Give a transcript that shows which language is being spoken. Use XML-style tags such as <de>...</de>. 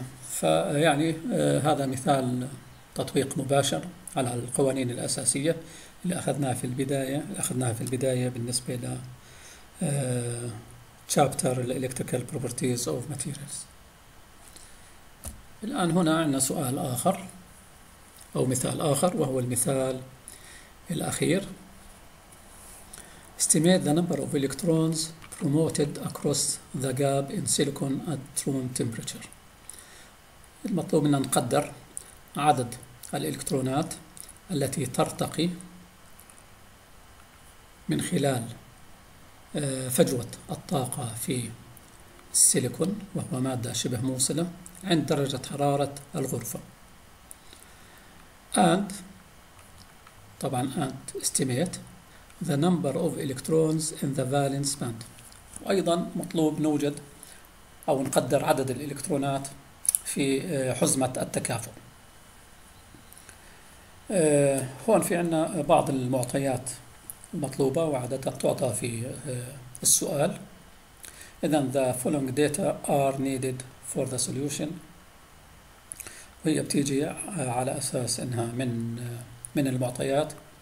<ar>فيعني هذا مثال تطبيق مباشر على القوانين الأساسية اللي أخذناها في البداية، بالنسبة ل chapter electrical properties of materials. الآن هنا عندنا سؤال آخر أو مثال آخر، وهو المثال الأخير.</ar> <en>Estimate the number of electrons promoted across the gap in silicon at room temperature.</en> <ar>المطلوب منا نقدر عدد الإلكترونات التي ترتقي من خلال فجوة الطاقة في السيليكون، وهو مادة شبه موصلة، عند درجة حرارة الغرفة.</ar> <en>And</en> <ar>طبعا</ar> <en>and estimate the number of electrons in the valence band.</en> <ar>وأيضا مطلوب نوجد أو نقدر عدد الإلكترونات في حزمة التكافؤ. هون في عنا بعض المعطيات المطلوبة وعادة تعطى في السؤال. إذن</ar> <en>the following data are needed for the solution،</en> <ar>وهي بتيجي على أساس إنها من المعطيات.</ar>